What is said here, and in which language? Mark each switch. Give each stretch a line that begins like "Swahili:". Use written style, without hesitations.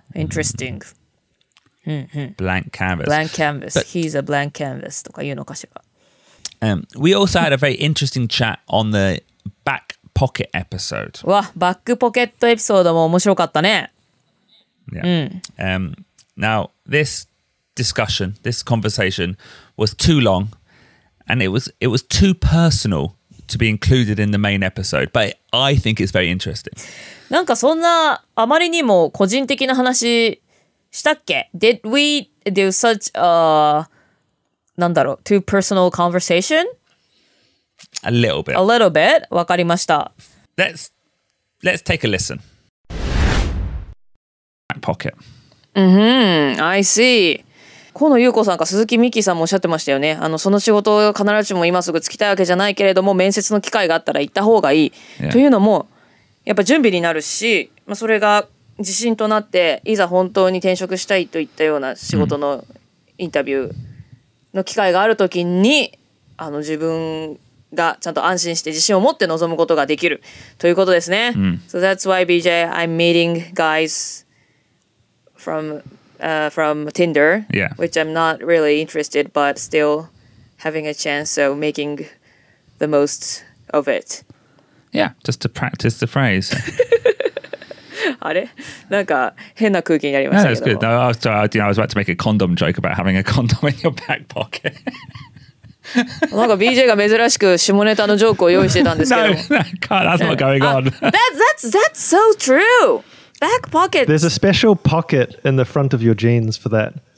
English: Interesting. Mm-hmm. Blank canvas. Blank canvas. But, He's a blank canvas.
Japanese: とか言うのかしら。
English: We also had a very interesting chat on the back pocket episode.
Japanese: わ、バックポケットエピソードも面白かったね。
English: Yeah. Now, this discussion, this conversation was too long, and it was too personal to be included in the main episode. But I think it's very interesting.
Japanese: なんかそんなあまりにも個人的な話したっけ?
English: Did we do such a,
Japanese: なんだろう?
English: Too personal conversation? A little bit. A little bit?
Japanese: わかりました。
English: Let's take a listen. Back pocket. Mm-hmm. I see.
Japanese: 河野ゆう子さんか鈴木美希さんもおっしゃってましたよね。その仕事を必ずしも今すぐ就きたいわけじゃないけれども、面接の機会があったら行った方がいい。
English: Yeah.
Japanese: というのも、やっぱ準備になるし、まあ、それが自信となっていざ本当に転職したいといったような仕事のインタビューの機会があるときに、自分がちゃんと安心して自信を持って臨むことができるということですね。
English: So that's why BJ, I'm meeting guys from Tinder, yeah. which I'm not really interested, but still having a chance, so making the most of it. Yeah, just to practice the phrase.
Japanese: あれ? なんか変な空気になりましたけど。
English: No, that's good. No, I was about to make a condom joke about having a condom in your back pocket.
Japanese: なんか BJ が珍しく下ネタのジョークを用意してたんですけど。
English: No, God, that's not going on. That's so true! Back pocket! There's a special pocket in the front of your jeans for that.